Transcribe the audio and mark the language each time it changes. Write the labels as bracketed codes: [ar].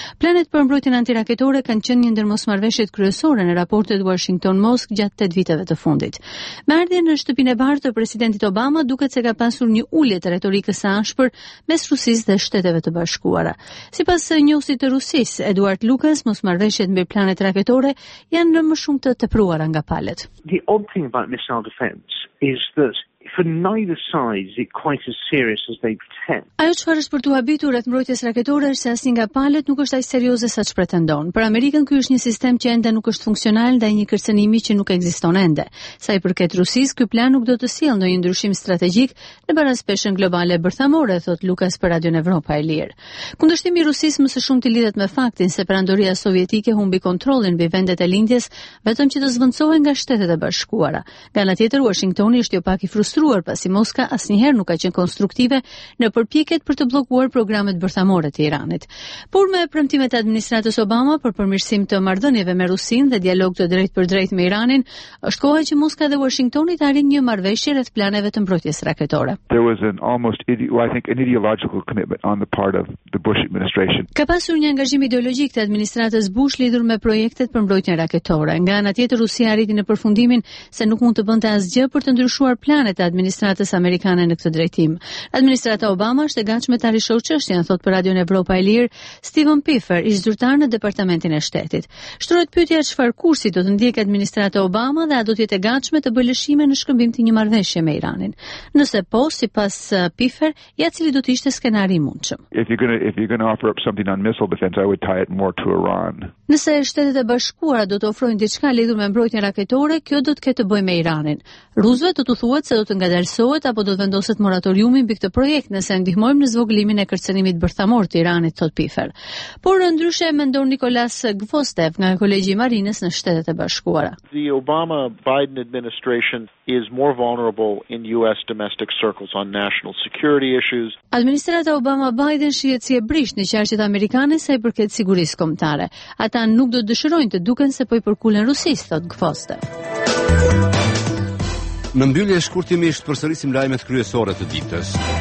[sq] Planet për mbrojtjen antiraketore kanë qenë një ndër mosmarrveshjet kryesore në raportet Washington-Mosk gjatë 8 viteve të fundit. Me ardhjen në shtëpinë e bardhë të presidentit Obama duket se ka pasur një ulje të retorikës së ashpër mes Rusisë dhe Shteteve të Bashkuara. Sipas njohësit të Rusisë, Eduard Lukas, mosmarrveshjet mbi planet raketore janë në më shumë të tepruara nga palët. [en] The odd thing about missile defense is that for neither side is it quite as serious as they pretend. [sq] Ajo çfarë është për tu habitur rreth mbrojtjes raketore është se asnjë nga palët nuk është aq serioze saç pretendon. Për Amerikën ky është një sistem që ende nuk është funksional ndaj një kërcënimi që nuk ekziston ende. Sa i përket Rusisë, ky plan nuk do të sjellë ndonjë ndryshim strategjik në paraspeshën globale bërthamore, thot Lukas për Radio Evropa e Lirë. Kundërshtimi i Rusisë më së shumti lidhet me faktin se perandoria sovjetike humbi kontrollin mbi vendet e lindjes vetëm që të zvendësohen nga Shtetet e Bashkuara. Nga ana tjetër, Washingtoni është jo pak i frustruar pasi Moska asnjëherë nuk ka qenë konstruktive në përpjekjet për të bllokuar programet bërthamore të Iranit. Por me premtimet e administratës Obama për përmirësim të marrëdhënieve me Rusinë dhe dialog të drejtpërdrejtë me Iranin, është koha që Moska dhe Washingtoni të arrijnë një marrëveshje rreth planeve të mbrojtjes raketore. [en] There was an almost I think an ideological commitment on the part of the Bush administration. [sq] Ka pasur një angazhim ideologjik të administratës Bush lidhur me projektet për mbrojtjen raketore. Nga ana tjetër, Rusia arriti në përfundimin se nuk mund të bënte asgjë për të ndryshuar planet të administratës amerikane në këtë drejtim. Administrata Obama është e gatshme ta rishoj çështjen, thot për Radio Evropa e Lirë Stephen Piffer, ish zyrtar në Departamentin e Shtetit. Shtrohet pyetja çfarë kursi do të ndjekë administrata Obama dhe a do të jetë e gatshme të bëjë lëshime në shkëmbim të një marrëveshje me Iranin. Nëse po, sipas Piffer, ja cili do të ishte skenari i mundshëm. [en] If you're going to offer up something on missile defense, I would tie it more to Iran. [sq] Nëse Shtetet e Bashkuara do të ofrojnë diçka lidhur me mbrojtjen raketore, kjo do të ketë të bëjë me Iranin. Rusëve do të thuhet do të ngadalsohet apo do të vendoset moratoriumi mbi këtë projekt nëse ndihmojmë në zvogëlimin e kërcënimit bërthamor të Iranit, thot Piffer. Por ndryshe mendon Nikolas Gvostev nga Kolegji i Marinës në Shtetet e Bashkuara. [en] The Obama Biden administration is more vulnerable in US domestic circles on national security issues. [sq] Administrata Obama Biden shihet si e brisht në qarqet amerikane sa i përket sigurisë kombëtare. Ata nuk do të dëshirojnë të duken se po i përkulen Rusisë, thot Gvostev. Në mbyllje shkurtimisht përsërisim lajmet kryesore të ditës.